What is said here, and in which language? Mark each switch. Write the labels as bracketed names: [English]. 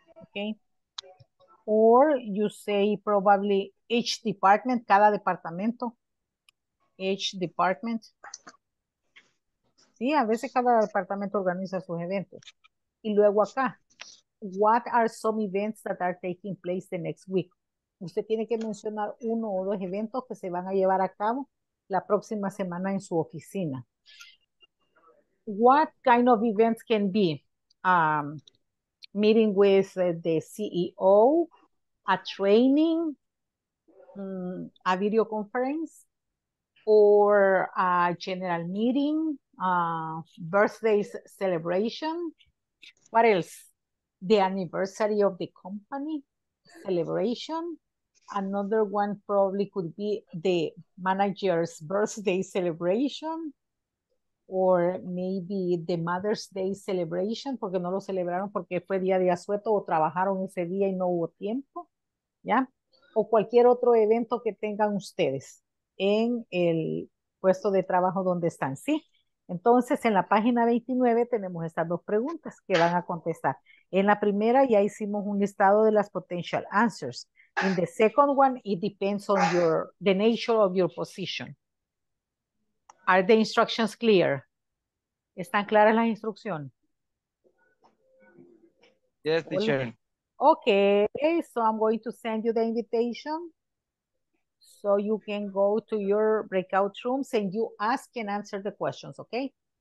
[English] Okay. Or you say probably each department, [Spanish] cada departamento. [English] Each department. [Spanish] Sí, a veces cada departamento organiza sus eventos. Y luego acá, [English] what are some events that are taking place the next week? [Spanish] Usted tiene que mencionar uno o dos eventos que se van a llevar a cabo la próxima semana en su oficina. [English] What kind of events can be? Meeting with the CEO, a training, a video conference, or a general meeting, birthday celebration. What else? The anniversary of the company, celebration. Another one probably could be the manager's birthday celebration, or maybe the Mother's Day celebration, [Spanish] porque no lo celebraron porque fue día de asueto o trabajaron ese día y no hubo tiempo, ¿ya? O cualquier otro evento que tengan ustedes en el puesto de trabajo donde están, ¿sí? Entonces, en la página 29 tenemos estas dos preguntas que van a contestar. En la primera ya hicimos un listado de las [English] potential answers. In the second one, it depends on the nature of your position. Are the instructions clear? [Spanish] ¿Están claras las instrucciones? [English] Yes, teacher. Okay, so I'm going to send you the invitation so you can go to your breakout rooms and you ask and answer the questions, okay?